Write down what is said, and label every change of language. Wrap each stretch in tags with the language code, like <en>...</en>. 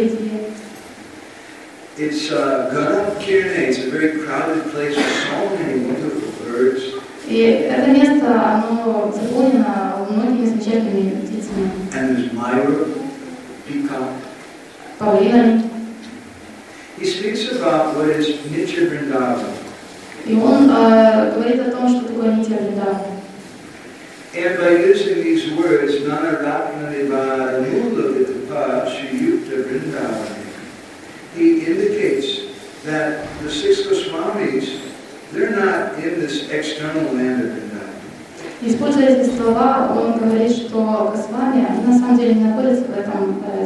<en>It's Ganam Kirne, it's a very crowded place with so many wonderful birds.</en> <ru>И это место, оно заполнено многими замечательными птицами.</ru> <en>And there's Myra, peacock.</en> <ru>Павлинами.</ru> <en>He speaks about what is Nitya Vrindavan.</en> <ru>И он говорит о том, что такое Нитья Вриндаван.</ru> <en>And by using these words, Nanarātmanivāyūlabhita-pāśi-yukta-vrindāvani, he indicates that the six Goswāmīs, they're not in this external land of Vrindavan.</en> <ru>Используя эти слова, он говорит, что Госвами, они на самом деле не находятся в этом</ru>